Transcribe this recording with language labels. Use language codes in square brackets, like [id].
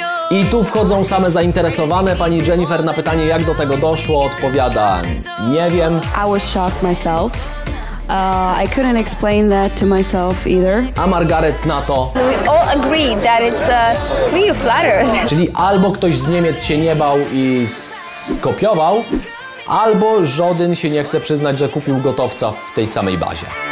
[pl] I tu wchodzą same zainteresowane. Pani Jennifer na pytanie, jak do tego doszło, odpowiada: nie wiem. [en] I was shocked myself. I couldn't explain that to myself either. [pl] A Margaret na to: [en] we all agreed that it's pretty flattered. [pl] Czyli albo ktoś z Niemiec się nie bał i skopiował, albo Żodyn się nie chce przyznać, że kupił gotowca w tej samej bazie.